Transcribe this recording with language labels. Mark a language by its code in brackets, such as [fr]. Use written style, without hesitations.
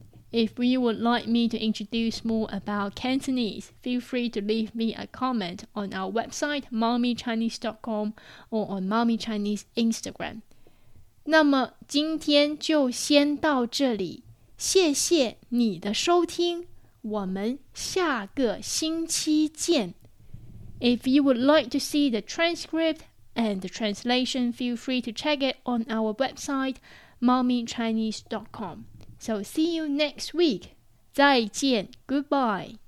[en] If you would like me to introduce more about Cantonese, feel free to leave me a comment on our website mommychinese.com or on Mommy Chinese Instagram. [zh] 那么今天就先到这里，谢谢你的收听，我们下个星期见。 [en] If you would like to see the transcript and the translation, feel free to check it on our website mommychinese.com. So see you next week. [zh] 再见, [en] goodbye.